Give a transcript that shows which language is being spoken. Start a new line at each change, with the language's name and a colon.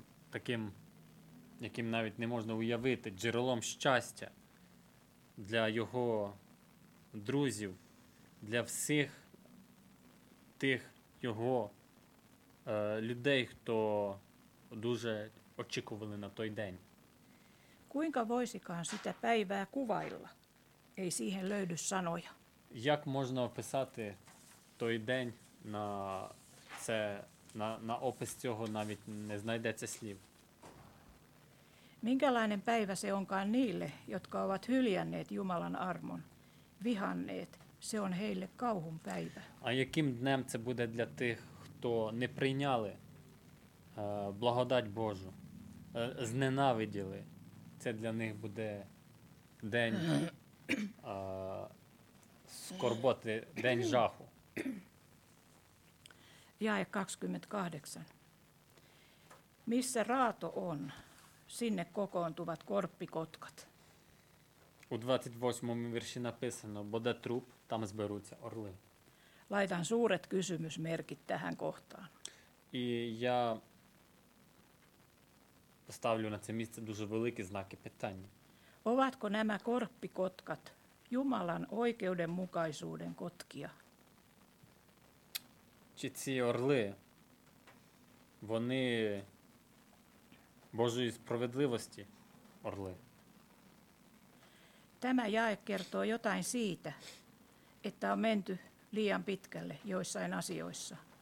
Ukrainian: таким, яким навіть не можна уявити, джерелом щастя для його друзів, для всіх тих його людей, хто дуже очікували на той день.
Finnish: Kuinka voisikaan sitä päivää kuvailla? Ei siihen löydy sanoja.
Ukrainian: Як можна описати той день на це на опис цього навіть не знайдеться слів.
Finnish: Minkälainen päivä se onkaan niille, jotka ovat hyljänneet Jumalan armon, vihanneet, se on heille kauhun päivä.
Ukrainian: А яким днем це буде для тих, хто не прийняли благодать Божу, зненавиділи? Це для них буде день скорботи, день жаху.
Finnish: Jae 28. Missä raato on, sinne kokoontuvat korppikotkat.
Ukrainian: У 28-му вірші написано, бо де труп, там зберуться орли.
Finnish: Laitan suuret kysymysmerkit tähän kohtaan.
Ukrainian: І я поставлю на це місце дуже великі знаки питання.
Finnish: Ovatko nämä korppikotkat Jumalan oikeudenmukaisuuden kotkia?
Ukrainian: Чи ці орли, вони Божої справедливості орли?
Finnish: Tämä jae kertoo jotain siitä, että on menty liian pitkälle joissain asioissa.